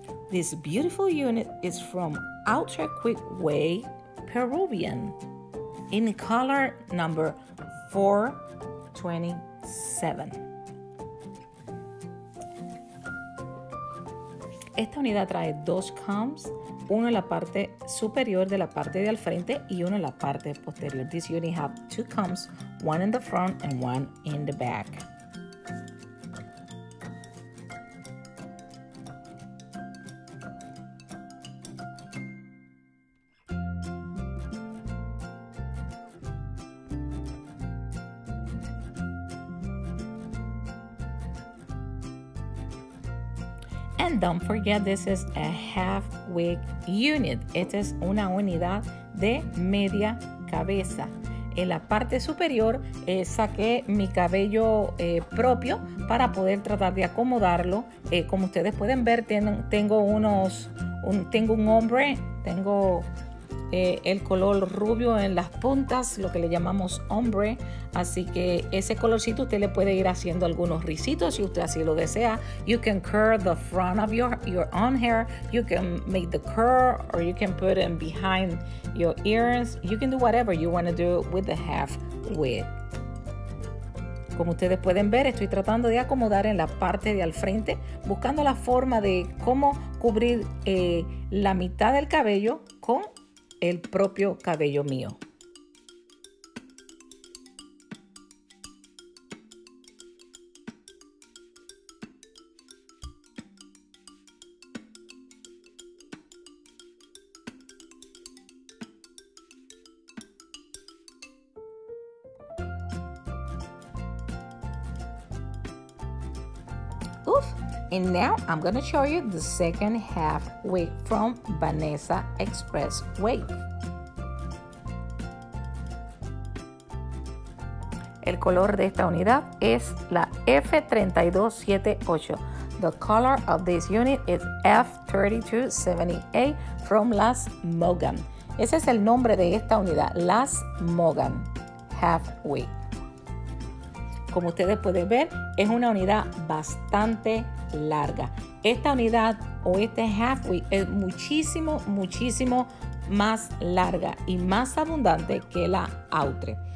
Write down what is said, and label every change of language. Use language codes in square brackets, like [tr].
[en] This beautiful unit is from Ultra Quick Way Peruvian in color number 427. [es] Esta unidad trae dos combs, uno en la parte superior de la parte de al frente y uno en la parte posterior. [en] This unit has two combs, one in the front and one in the back. And don't forget, this is a half wig unit. [es] Esta es una unidad de media cabeza. En la parte superior saqué mi cabello propio para poder tratar de acomodarlo. Como ustedes pueden ver, tengo el color rubio en las puntas, lo que le llamamos ombre. Así que ese colorcito usted le puede ir haciendo algunos rizitos si usted así lo desea. [en] You can curl the front of your own hair. You can make the curl or you can put it behind your ears. You can do whatever you want to do with the half wig. [es] Como ustedes pueden ver, estoy tratando de acomodar en la parte de al frente, buscando la forma de cómo cubrir la mitad del cabello con el propio cabello mío. Oof. [en] And now I'm going to show you the second half wig from Vanessa Express Wave. [es] El color de esta unidad es la F3278. [en] The color of this unit is F3278 from Las Mogan. [es] Ese es el nombre de esta unidad, Las Mogan Half Wig. Como ustedes pueden ver, es una unidad bastante larga. Esta unidad o este half wig es muchísimo, muchísimo más larga y más abundante que la outre.